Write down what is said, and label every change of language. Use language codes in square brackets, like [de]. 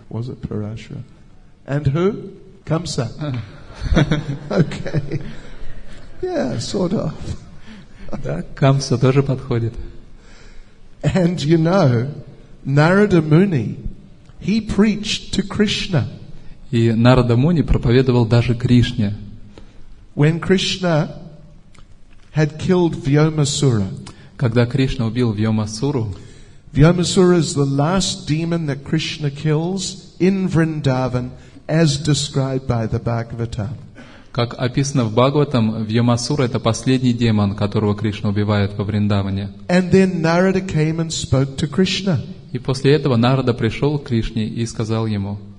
[en] Was it Parashra? And who? Kamsa. Okay. Yeah, sort of. [ru] Да, Камса тоже подходит. [en] And you know, Narada Muni, he preached to Krishna. [ru] И Нарада Муни проповедовал даже Кришне. [en] When Krishna had killed Vyomasura. [ru] Когда Кришна убил Вьомасуру. [en] Vyomasura is the last demon that Krishna kills in Vrindavan, as described by the Bhagavatam. [ru] Как описано в Бхагаватам, Вьомасура это последний демон, которого Кришна убивает во Вриндаване. [en] And then Narada came and spoke to Krishna. [ru] И после этого Нарада пришел к Кришне и сказал ему.